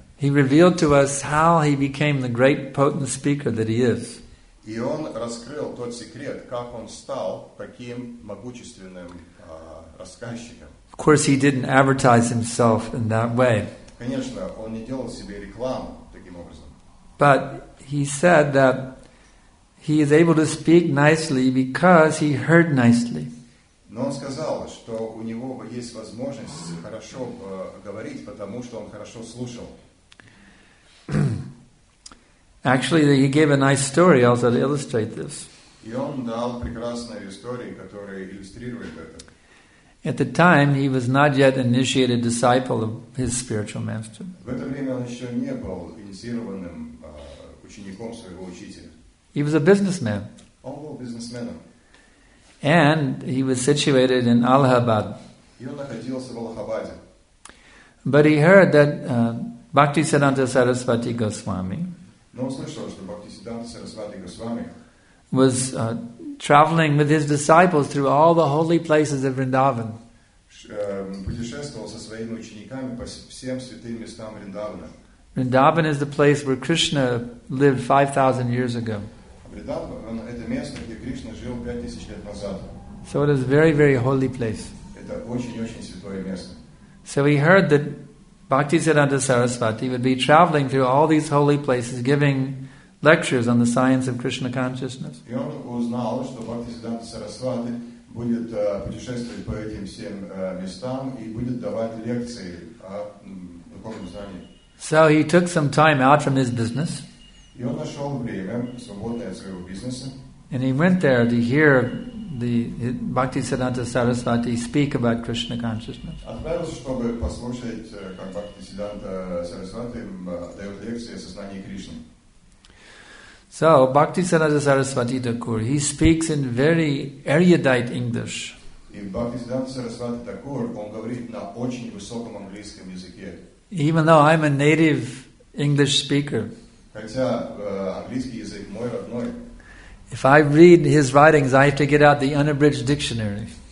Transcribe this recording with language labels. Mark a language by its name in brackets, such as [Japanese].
[English] He revealed to us how he became the great potent speaker that he is. [Russian] И он раскрыл тот секрет, как он стал таким могущественным рассказчиком. [English] Of course, he didn't advertise himself in that way. [Russian] Конечно, он не делал себе рекламу таким образом. [English] But he said that he is able to speak nicely because he heard nicely. [Russian] Но он сказал, что у него есть возможность хорошо говорить, потому что он хорошо слушал. [English] Actually, he gave a nice story also to illustrate this. [Russian] И он дал прекрасную историю, которая иллюстрирует это. [English] At the time, he was not yet initiated disciple of his spiritual master. [Russian] В это время он еще не был инициированным учеником своего учителя. [English] He was a businessman. [Russian] Он был бизнесменом. [English] And he was situated in Allahabad. [Russian] И он находился в Аллахабаде. [English] But he heard that Bhaktisiddhanta Sarasvati Goswami, [Russian] но он слышал, что Бхактисиддханта Сарасвати Госвами [English] was traveling with his disciples through all the holy places of Vrindavan. [Russian] Путешествовал со своими учениками по всем святым местам Вриндавана. [English] Vrindavan is the place where Krishna lived 5,000 years ago. [Russian] Vrindavan – это место, где Кришна жил 5,000 лет назад. [English] So it is a very, very holy place. [Russian] Это очень-очень святое место. [English] So he heard that Bhaktisiddhanta Sarasvati would be traveling through all these holy places giving lectures on the science of Krishna consciousness. [Russian] И он узнал, что Бхактисиддханта Сарасвати будет путешествовать по этим всем местам и будет давать лекции о духовном знании. [English] So he took some time out from his business. [Russian] И он нашел время, свободное от своего бизнеса. [English] And he went there to hear the Bhaktisiddhanta Sarasvati speak about Krishna consciousness. [Russian] Отправился, чтобы послушать, как Бхактисиддханта Сарасвати дает лекции о сознании Кришны. [English] So, Bhaktisiddhanta Sarasvati Thakur, he speaks in very erudite English. [Russian] И Бхактисиддханта Сарасвати Такур, он говорит на очень высоком английском языке. [English] Even though I'm a native English speaker. [Russian] Хотя английский язык мой родной. [English] If I read his writings, I have to get out the unabridged dictionary.